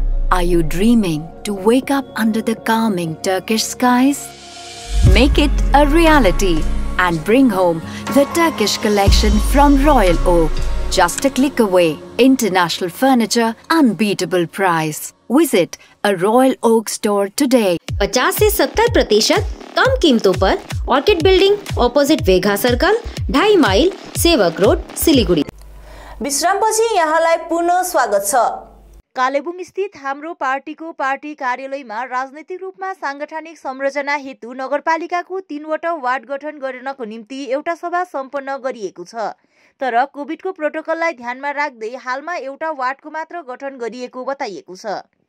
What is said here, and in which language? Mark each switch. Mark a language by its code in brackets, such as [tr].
[en] Are you dreaming to wake up under the calming Turkish skies? Make it a reality and bring home the Turkish collection from Royal Oak. Just a click away, international furniture, unbeatable price. Visit a Royal Oak store today. [hi] 50-70% कम कीमतों पर orchid building opposite वेघा circle, 2.5 mile सेवक road, Siliguri. [ne] विश्राम पछि यहाँलाई पुनः स्वागत छ। कालेबुङ स्थित हाम्रो पार्टीको पार्टी कार्यालयमा राजनैतिक रूपमा सांगठनिक संरचना हेतु नगरपालिकाको 3 वार्ड गठन गर्नको निम्ति एउटा सभा सम्पन्न गरिएको छ। तर कोभिडको प्रोटोकललाई ध्यानमा राख्दै हालमा एउटा वार्डको मात्र गठन गरिएको बताइएको छ।